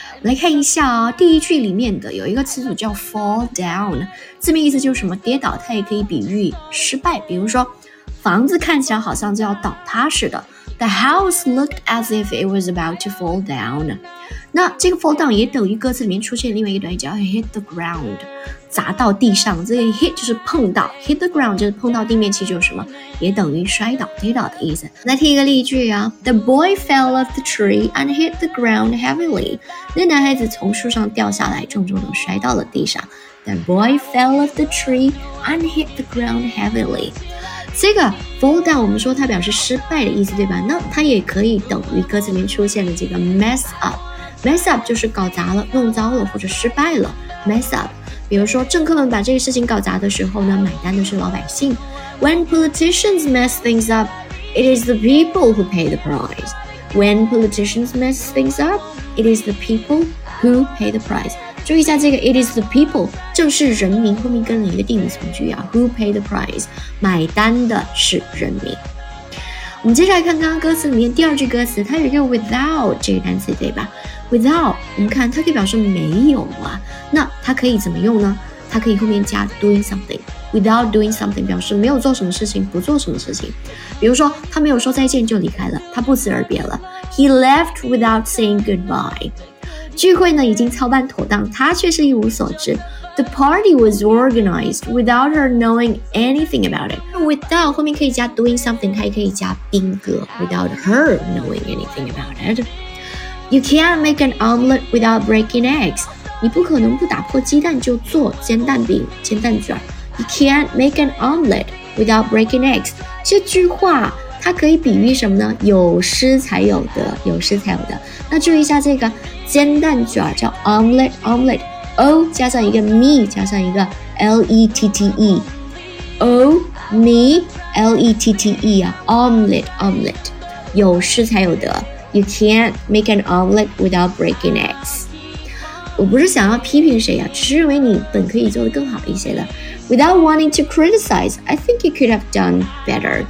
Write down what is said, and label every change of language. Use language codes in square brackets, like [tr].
[zh] 来看一下啊，第一句里面的有一个词组叫 fall down， 字面意思就是什么跌倒，它也可以比喻失败，比如说房子看起来好像就要倒塌似的。 [en] The house looked as if it was about to fall down. [zh] 那这个 fall down 也等于歌词里面出现另外一段叫 hit the ground， 砸到地上。这个 hit 就是碰到， hit the ground 就是碰到地面，其实就是什么，也等于摔倒、跌倒的意思。来听一个例句啊。 [en] The boy fell off the tree and hit the ground heavily. [zh] 那男孩子从树上掉下来，重重的摔到了地上。 [en] The boy fell off the tree and hit the ground heavily. [zh] 这个 fall down 我们说它表示失败的意思，对吧？那它也可以等于歌词里面出现的这个 mess up， mess up 就是搞砸了，弄糟了或者失败了， mess up。比如说政客们把这个事情搞砸的时候呢，买单的是老百姓。 [en] When politicians mess things up, it is the people who pay the price. When politicians mess things up, it is the people who pay the price. [zh] 注意一下这个 it is the people, 正是人民，后面跟了一个定语从句啊， who pay the price, 买单的是人民。我们接下来看刚刚歌词里面第二句歌词，它有一个 without 这个单词，对吧？ without 我们看它可以表示没有啊，那它可以怎么用呢？它可以后面加 doing something。without doing something 表示没有做什么事情，不做什么事情。比如说他没有说再见就离开了，他不辞而别了， [en] he left without saying goodbye。 [zh] 聚会呢已经操办妥当，他却是一无所知。 [en] The party was organized without her knowing anything about it. [zh] Without 后面可以加 doing something, 它也可以加宾格 [en] without her knowing anything about it. You can't make an omelet without breaking eggs. [zh] 你不可能不打破鸡蛋就做煎蛋饼、煎蛋卷。 [en] You can't make an omelet without breaking eggs. [zh] 这句话它可以比喻什么呢？有失才有得，有失才有得。那注意一下这个煎蛋卷叫 omelet, omelet. O 加上一个 me 加上一个 L-E-T-T-E O me L-E-T-T-E、啊、Omelette Omelette 有失才有得。 [en] You can't make an omelette without breaking eggs。 [zh] 我不是想要批评谁啊，只是认为你本可以做得更好一些的。 [en] Without wanting to criticize, I think you could have done better。